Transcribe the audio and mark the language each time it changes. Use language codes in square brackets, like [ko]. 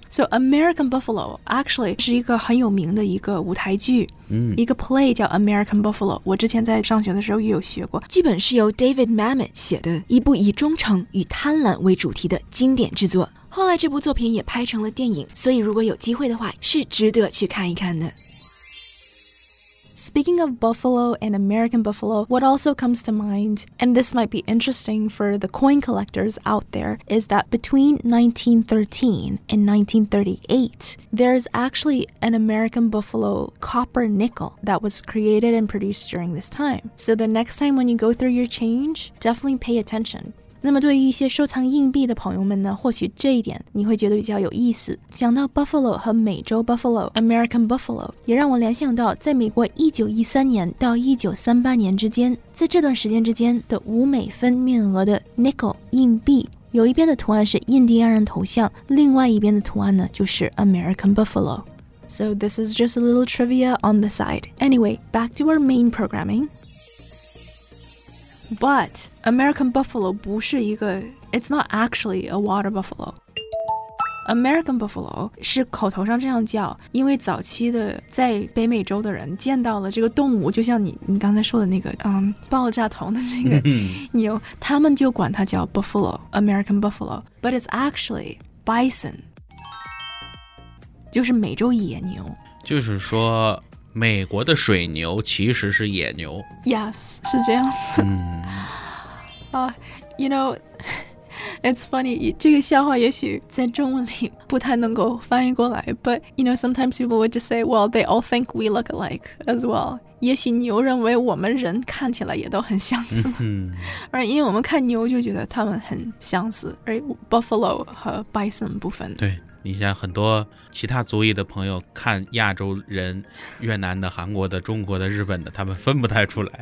[en] So American Buffalo actually [zh] 是一个很有名的一个舞台剧、一个 play 叫 American Buffalo, 我之前在上学的时候也有学过。剧本是由 David Mamet 写的，一部以忠诚与贪婪为主题的经典制作，后来这部作品也拍成了电影，所以如果有机会的话是值得去看一看的。 [en] Speaking of buffalo and American buffalo, what also comes to mind, and this might be interesting for the coin collectors out there, is that between 1913 and 1938, there is actually an American buffalo copper nickel that was created and produced during this time. So the next time when you go through your change, definitely pay attention. [zh] 那么对于一些收藏硬币的朋友们呢，或许这一点你会觉得比较有意思。讲到 Buffalo 和美洲 Buffalo, American Buffalo, 也让我联想到在美国1913年到1938年之间，在这段时间之间的五美分面额的 Nickel 硬币，有一边的图案是印第安人头像，另外一边的图案呢就是 American Buffalo。 [en] So this is just a little trivia on the side. Anyway, back to our main programming. But American buffalo [zh] 不是一个 [en] it's not actually a water buffalo. [zh] American Buffalo 是口头上这样叫，因为早期的在北美洲的人见到了这个动物，就像 你刚才说的那个爆炸头的这个牛他们就管它叫 Buffalo American Buffalo [en] But it's actually Bison [zh] 就是美洲野牛，就是说美国的水牛其实是野牛。 [en] Yes, [zh] 是这样子。 [en] You know, it's funny, [zh] 这个笑话也许在中文里不太能够翻译过来 [en] But, you know, sometimes people would just say, well, they all think we look alike as well. [zh] 也许牛认为我们人看起来也都很相似。而因为我们看牛就觉得他们很相似。而 Buffalo 和 Bison 部分。对。你像很多其他族裔的朋友看亚洲人越南的韩国的中国的日本的他们分不太出来，